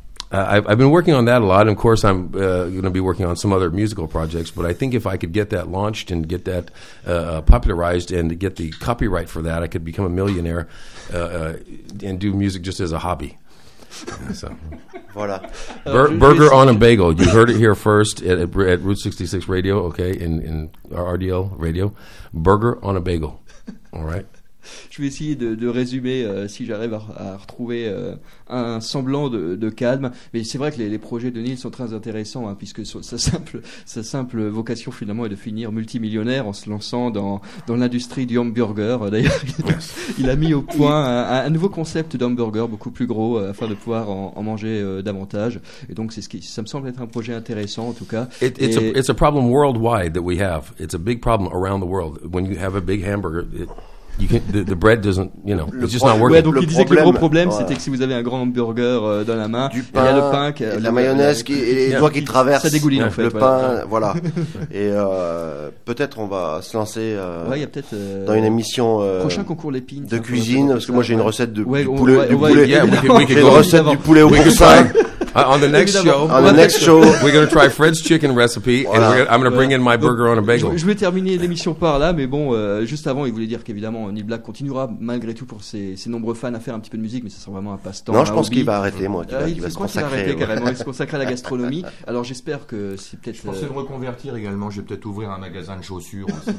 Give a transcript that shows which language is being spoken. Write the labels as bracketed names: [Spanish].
[English] I've been working on that a lot. And of course, I'm going to be working on some other musical projects, but I think if I could get that launched and get that popularized and get the copyright for that, I could become a millionaire and do music just as a hobby. [French] So. Voilà. [English] Burger on a bagel. You heard it here first at Route 66 Radio, okay, in RDL Radio. Burger on a bagel. All right. [French] Je vais essayer de résumer si j'arrive à retrouver un semblant de calme. Mais c'est vrai que les projets de Neil sont très intéressants, hein, puisque sa simple vocation finalement est de finir multimillionnaire en se lançant dans l'industrie du hamburger. D'ailleurs, il a mis au point un nouveau concept d'hamburger beaucoup plus gros afin de pouvoir en manger davantage. Et donc, ça me semble être un projet intéressant en tout cas. [English] It's a problem worldwide that we have. It's a big problem around the world. When you have a big hamburger, the bread doesn't, you know, it's just not working. [French] Ouais, donc il disait que le gros problème, voilà, c'était que si vous avez un grand hamburger dans la main, du pain, il y a le pain, qui, la mayonnaise, qui, et les yeah. doigts qui traversent. Ça dégouline, yeah. en fait. Le voilà. pain, voilà. Et peut-être on va se lancer dans une émission prochain concours Lépine, de cuisine, parce que moi j'ai une recette de poulet. [English] Yeah, [French] une recette du poulet au poussin. [English] On the next show, we're going to try Fred's chicken recipe, voilà. And I'm going to bring in my burger on a bagel. [French] Je vais terminer l'émission par là, mais bon, juste avant, il voulait dire qu'évidemment, Neil Black continuera malgré tout pour ses nombreux fans à faire un petit peu de musique, mais ça sera vraiment un passe-temps. Non, je pense qu'il va arrêter, moi. Il se consacrer à la gastronomie. Alors j'espère que c'est peut-être. Je pensais me reconvertir également. Je vais peut-être ouvrir un magasin de chaussures aussi.